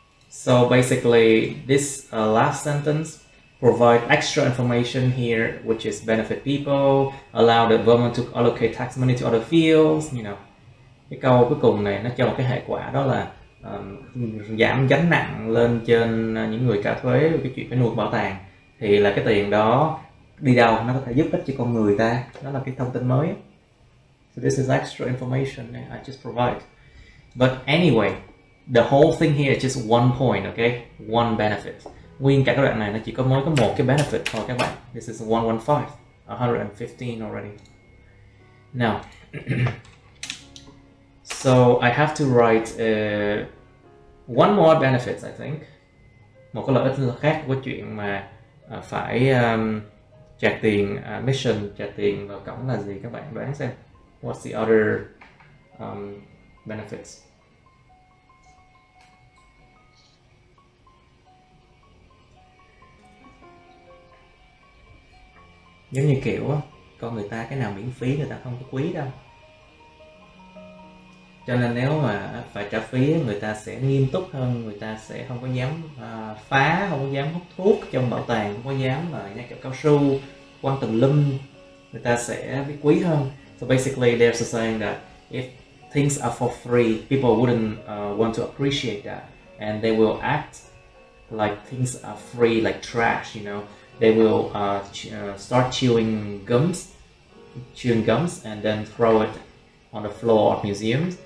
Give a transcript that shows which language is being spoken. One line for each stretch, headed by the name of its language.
English: So basically, this last sentence provide extra information here, which is benefit people, allow the government to allocate tax money to other fields, you know.
Vietnamese: Cái câu cuối cùng này nó cho một cái hệ quả đó là giảm gánh nặng lên trên những người trả thuế về cái chuyện phải nuôi bảo tàng, thì là cái tiền đó đi đâu, nó có thể giúp ích cho con người ta, đó là cái thông tin mới.
English: So this is extra information I just provide. But anyway, the whole thing here is just one point, okay? One benefit.
Vietnamese: Nguyên cả cái đoạn này nó chỉ có mỗi có một cái benefit thôi các bạn.
English: This is 115, 115 already. Now, so I have to write one more benefit, I think.
Vietnamese: Một cái lợi ích khác của chuyện mà phải trả tiền admission, trả tiền vào cổng là gì các bạn đoán xem.
English: What's the other benefits?
Vietnamese: Giống như kiểu con người ta cái nào miễn phí người ta không có quý đâu. Cho nên nếu mà phải trả phí người ta sẽ nghiêm túc hơn, người ta sẽ không có dám phá, không có dám hút thuốc trong bảo tàng, không có dám mà nhặt kẹo cao su, quăng tùm lum, người ta sẽ biết quý hơn.
English: So basically they're saying that if things are for free, people wouldn't want to appreciate that, and they will act like things are free, like trash, you know. They will start chewing gums and then throw it on the floor of museums.